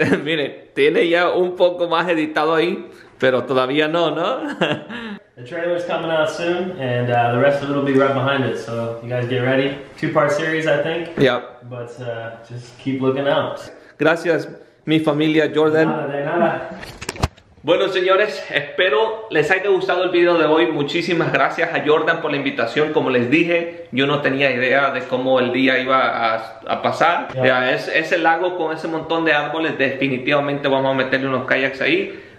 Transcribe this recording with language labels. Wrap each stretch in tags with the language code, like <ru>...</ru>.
<es>Mire, tiene ya un poco más editado ahí. Pero todavía no, ¿no?</es> <en>The trailer is coming out soon, and the rest of it will be right behind it. So you guys get ready. Two-part series, I think. Yep. But just keep looking out.</en> <es>Gracias, mi familia Jordan. Nada, de nada. Bueno, señores, espero les haya gustado el video de hoy. Muchísimas gracias a Jordan por la invitación. Como les dije, yo no tenía idea de cómo el día iba a pasar. Yep. Ese lago con ese montón de árboles, definitivamente vamos a meterle unos kayaks ahí.</es>